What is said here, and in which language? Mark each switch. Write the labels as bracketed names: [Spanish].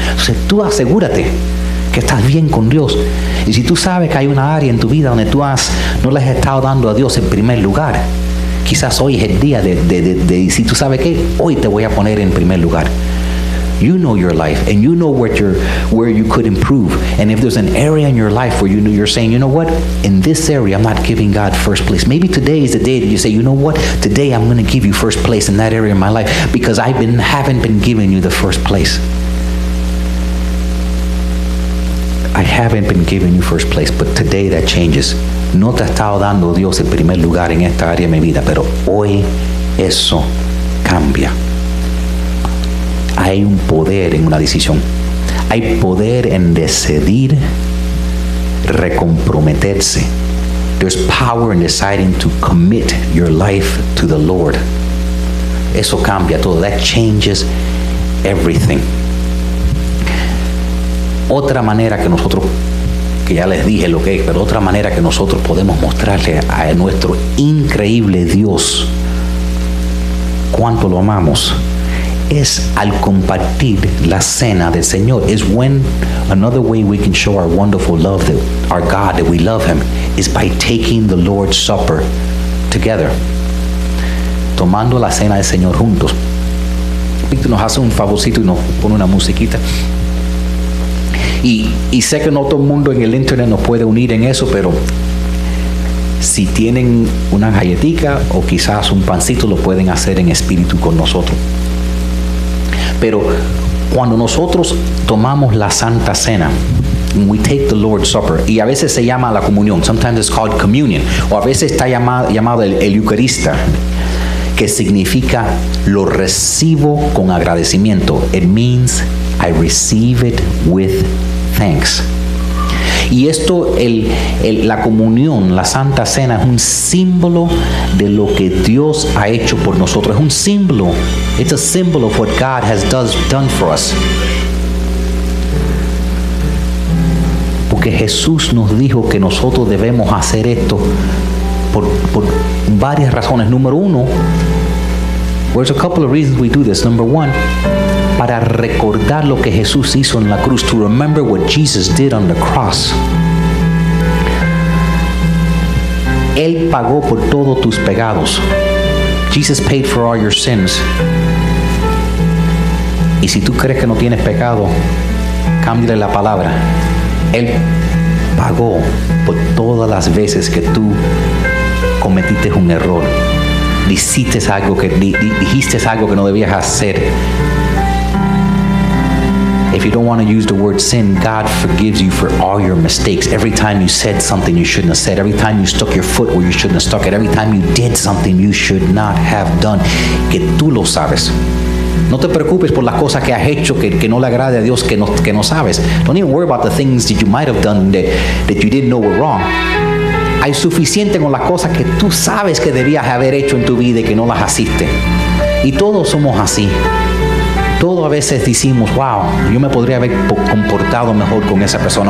[Spanish] Entonces, tú asegúrate que estás bien con Dios. Y si tú sabes que hay una área en tu vida donde no le has estado dando a Dios en primer lugar, quizás hoy es el día de decir, tú sabes qué, hoy te voy a poner en primer lugar. [English] You know your life, and you know what you're, where you could improve. And if there's an area in your life where you know you're saying, you know what, in this area, I'm not giving God first place. Maybe today is the day that you say, you know what, today I'm going to give you first place in that area of my life, because I've been, haven't been giving you the first place. I haven't been giving you first place, but today that changes. [Spanish] No te ha estado dando Dios el primer lugar en esta área de mi vida, pero hoy eso cambia. Hay un poder en una decisión. Hay poder en decidir recomprometerse. [English] There's power in deciding to commit your life to the Lord. [Spanish] Eso cambia todo. [English] That changes everything. [Spanish] Otra manera que nosotros, que ya les dije lo que es, pero otra manera que nosotros podemos mostrarle a nuestro increíble Dios cuánto lo amamos es al compartir la cena del Señor. [English] Is when another way we can show our wonderful love, that our God, that we love Him, is by taking the Lord's Supper together. [Spanish] Tomando la cena del Señor juntos. Víctor nos hace un favorcito y nos pone una musiquita. Y sé que no todo el mundo en el internet nos puede unir en eso, pero si tienen una galletica o quizás un pancito, lo pueden hacer en espíritu con nosotros. Pero cuando nosotros tomamos la Santa Cena, [English] we take the Lord's Supper, [Spanish] y a veces se llama la comunión, [English] sometimes it's called communion, [Spanish] o a veces está llamado el Eucarista, que significa lo recibo con agradecimiento. [English] It means I receive it with thanks. [Spanish] Y esto, la comunión, la Santa Cena, es un símbolo de lo que Dios ha hecho por nosotros. Es un símbolo. [English] It's a symbol of what God has done for us. [Spanish] Porque Jesús nos dijo que nosotros debemos hacer esto por varias razones. Número uno, [English] there's a couple of reasons we do this. Number one, [Spanish] para recordar lo que Jesús hizo en la cruz, [English] to remember what Jesus did on the cross. [Spanish] Él pagó por todos tus pecados. [English] Jesus paid for all your sins. [Spanish] Y si tú crees que no tienes pecado, cámbiale la palabra. Él pagó por todas las veces que tú cometiste un error. Dijiste algo que no debías hacer. [English] If you don't want to use the word sin, God forgives you for all your mistakes. Every time you said something you shouldn't have said, every time you stuck your foot where you shouldn't have stuck it, every time you did something you should not have done, [Spanish] que tú lo sabes. No te preocupes por las cosas que has hecho que no le agrade a Dios, que no sabes. [English] Don't even worry about the things that you might have done that you didn't know were wrong. [Spanish] Hay suficiente con las cosas que tú sabes que debías haber hecho en tu vida y que no las hiciste. Y todos somos así. Todos a veces decimos, wow, yo me podría haber comportado mejor con esa persona.